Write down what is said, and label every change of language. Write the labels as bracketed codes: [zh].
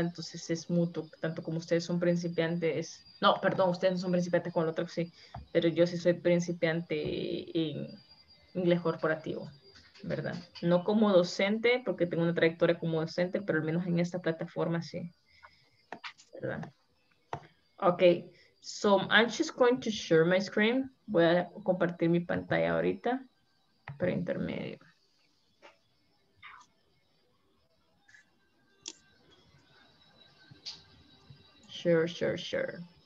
[es] Entonces es mutuo, tanto como ustedes son principiantes. No, perdón, ustedes no son principiantes con el otro, sí. Pero yo sí soy principiante en inglés corporativo. ¿Verdad? No como docente, porque tengo una trayectoria como docente, pero al menos en esta plataforma sí. ¿Verdad? Ok. [en] So, I'm just going to share my screen. [es] Voy a compartir mi pantalla ahorita, pero intermedio. [en] Sure, sure, sure.